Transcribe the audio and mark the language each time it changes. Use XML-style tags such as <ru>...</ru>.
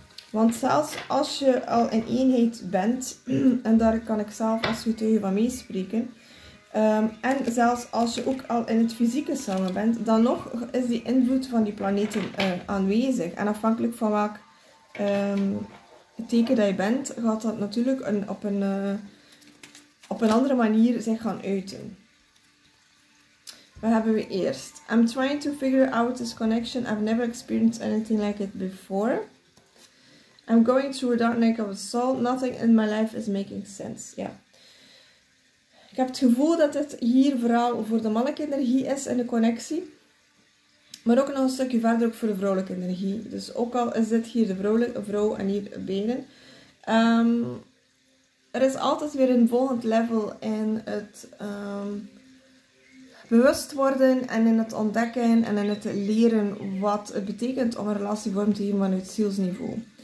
<nl>Want zelfs als je al in eenheid bent, en daar kan ik zelf als getuige van meespreken, en zelfs als je ook al in het fysieke samen bent, dan nog is die invloed van die planeten aanwezig. En afhankelijk van welk teken dat je bent, gaat dat natuurlijk op een andere manier zich gaan uiten. Wat hebben we eerst?</nl> <en>I'm trying to figure out this connection. I've never experienced anything like it before. I'm going through a dark night of a soul. Nothing in my life is making sense.</en> <nl>Ja.</nl> <en>Yeah.</en> <nl>Ik heb het gevoel dat het hier vooral voor de mannelijke energie is in de connectie. Maar ook nog een stukje verder ook voor de vrouwelijke energie. Dus ook al is dit hier de vrouwelijke vrouw en hier benen. Er is altijd weer een volgend level in het bewust worden en in het ontdekken en in het leren wat het betekent om een relatie vorm te geven vanuit zielsniveau.</nl>